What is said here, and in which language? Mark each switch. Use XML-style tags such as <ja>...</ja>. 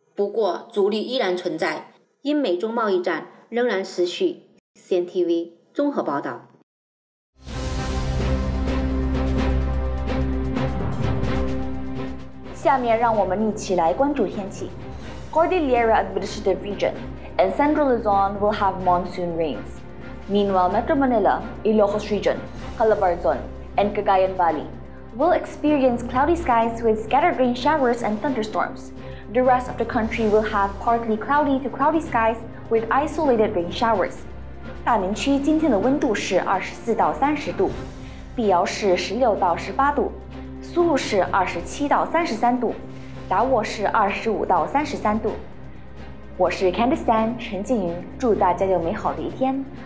<zh>不过阻力依然存在，因美中贸易战仍然持续。 CNTV 综合报道。下面让我们一起来关注天气。</zh> <en>Cordillera Administrative Region and Central Luzon will have monsoon rains. Meanwhile, Metro Manila, Ilocos Region, Calabarzon, and Cagayan Valley will experience cloudy skies with scattered rain showers and thunderstorms. The rest of the country will have partly cloudy to cloudy skies with isolated rain showers.</en> <zh>大明区今天的温度是24到30度，碧瑶市16到18度，苏禄市27到33度，达沃市25到33度。我是 Candice Tan 陈静云，祝大家有美好的一天。</zh>